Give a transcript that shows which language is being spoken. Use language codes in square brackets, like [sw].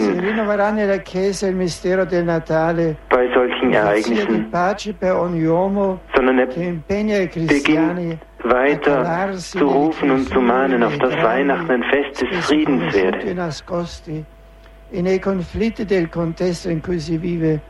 [it] Si rinnoverà nella chiesa il mistero del Natale, [de] bei solchen Ereignissen, [it] pace per ogni uomo, [de] sondern er beginnt weiter zu rufen und zu mahnen, auf das Weihnachten ein Fest des Friedens werde. [it] Nei conflitti del contesto in cui si vive,